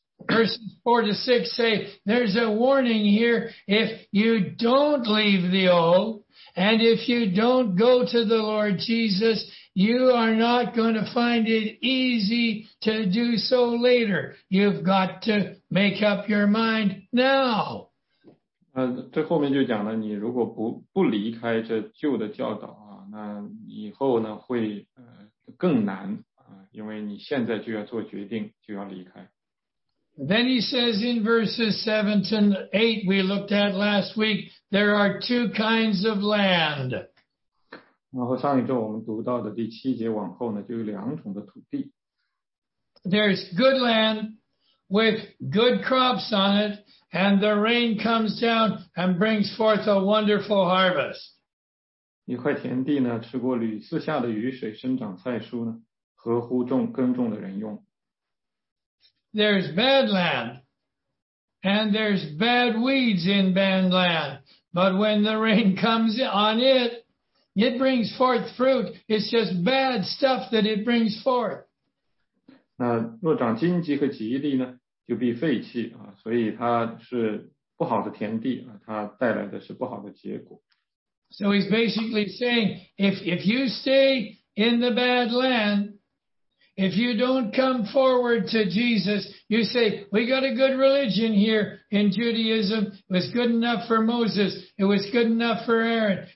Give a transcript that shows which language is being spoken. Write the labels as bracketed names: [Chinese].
[English] Verses 4 to 6 say, there's a warning here. If you don't leave the old, and if you don't go to the Lord Jesus, you are not going to find it easy to do so later. You've got to make up your mind now. [Chinese] 这后面就讲了，你如果不离开这旧的教导啊，那以后呢会更难啊，因为你现在就要做决定，就要离开。 [English] Then he says in verses 7 to 8 we looked at last week, there are two kinds of land. [Chinese] 然后上一周我们读到的第七节往后呢就有两种的土地。 [English] There's good land with good crops on it and the rain comes down and brings forth a wonderful harvest. [Chinese] 一块田地呢吃过屡次下的雨水生长菜蔬呢合乎耕种的人用。 [English] There's bad land, and there's bad weeds in bad land. But when the rain comes on it, it brings forth fruit. It's just bad stuff that it brings forth. [Chinese] 那若长荆棘和蒺藜呢，就必废弃啊。所以它是不好的田地啊，它带来的是不好的结果。 [English] So he's basically saying, if you stay in the bad land, if you don't come forward to Jesus, you say, we got a good religion here in Judaism. It was good enough for Moses. It was good enough for Aaron.